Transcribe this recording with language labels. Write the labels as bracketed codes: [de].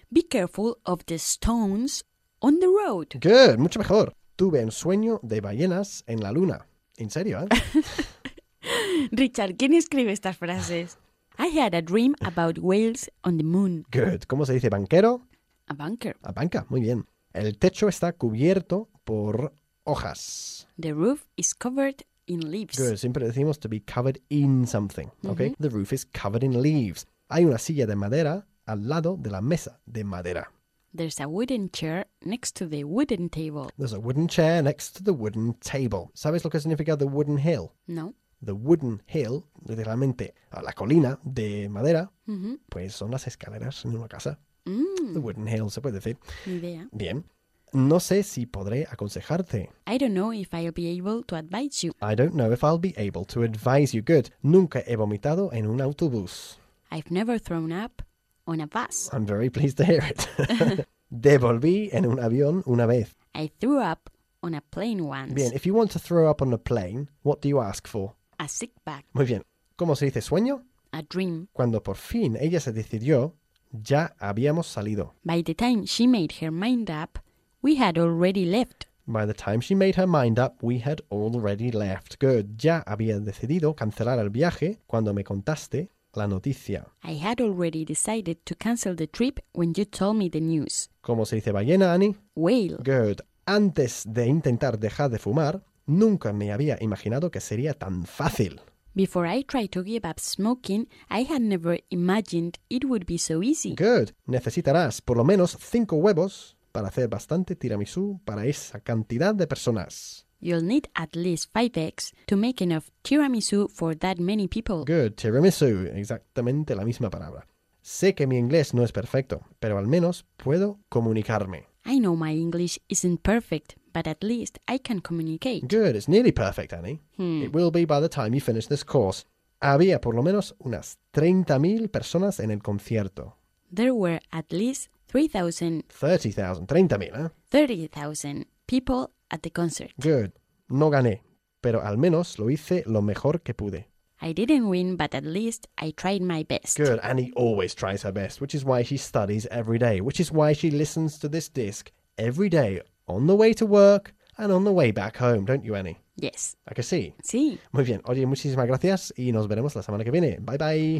[en] Be careful of the stones on the road. [es] Good, mucho mejor. Tuve un sueño de ballenas en la luna. En serio, ¿eh? Richard, ¿quién escribe estas frases? [en] I had a dream about whales on the moon. [es] Good. ¿Cómo se dice banquero? [en] A banker. [es] A banca, muy bien. El techo está cubierto por hojas. [en] The roof is covered in leaves. [es] Good. Siempre decimos [en] to be covered in something, [es] ¿ok? [en] Mm-hmm. The roof is covered in leaves. [es] Hay una silla de madera al lado de la mesa de madera. [en] There's a wooden chair next to the wooden table. There's a wooden chair next to the wooden table. [es] ¿Sabes lo que significa [en] the wooden hill? [es] No. [en] The wooden hill, [es] literalmente a la colina de madera, pues son las escaleras en una casa. [en] The wooden hill, [es] se puede decir. Ni idea. Bien. No sé si podré aconsejarte. [en] I don't know if I'll be able to advise you. I don't know if I'll be able to advise you. [es] Good. Nunca he vomitado en un autobús. [en] I've never thrown up on a bus. I'm very pleased to hear it. [es] Devolví en un avión una vez. [en] I threw up on a plane once. Bien, if you want to throw up on a plane, what do you ask for? A sick bag. [es] Muy bien. ¿Cómo se dice sueño? [en] A dream. [es] Cuando por fin ella se decidió, ya habíamos salido. [en] By the time she made her mind up, we had already left. By the time she made her mind up, we had already left. Good. [es] Ya había decidido cancelar el viaje cuando me contaste la noticia. [en] I had already decided to cancel the trip when you told me the news. [es] ¿Cómo se dice ballena, Annie? [en] Whale. Good. [es] Antes de intentar dejar de fumar, nunca me había imaginado que sería tan fácil. [en] Before I tried to give up smoking, I had never imagined it would be so easy. Good. [es] Necesitarás por lo menos 5 huevos para hacer bastante tiramisú para esa cantidad de personas. [en] You'll need at least 5 eggs to make enough tiramisu for that many people. [es] Good, tiramisu. Exactamente la misma palabra. Sé que mi inglés no es perfecto, pero al menos puedo comunicarme. [en] I know my English isn't perfect, but at least I can communicate. Good, it's nearly perfect, Annie. It will be by the time you finish this course. [es] Había por lo menos unas 30,000 personas en el concierto. [en] There were at least 3,000. [es] 30,000, 30,000, ¿eh? [en] 30,000 people at the concert. Good. [es] No gané, pero al menos lo hice lo mejor que pude. [en] I didn't win, but at least I tried my best. Good. Annie always tries her best, which is why she studies every day, which is why she listens to this disc every day on the way to work and on the way back home, don't you, Annie? Yes. [es] ¿A que sí? Sí. Muy bien. Oye, muchísimas gracias y nos veremos la semana que viene. Bye, bye.